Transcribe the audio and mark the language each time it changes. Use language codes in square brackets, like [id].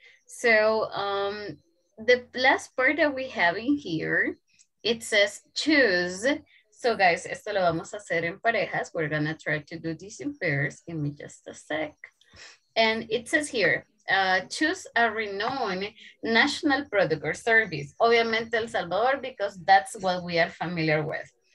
[en] So the last part that we have in here, it says choose. [es] So guys, esto lo vamos a hacer en parejas. [en] We're gonna try to do this in pairs. Give me just a sec. And it says here, choose a renowned national product or service. Obviamente El Salvador, because that's what we are familiar with.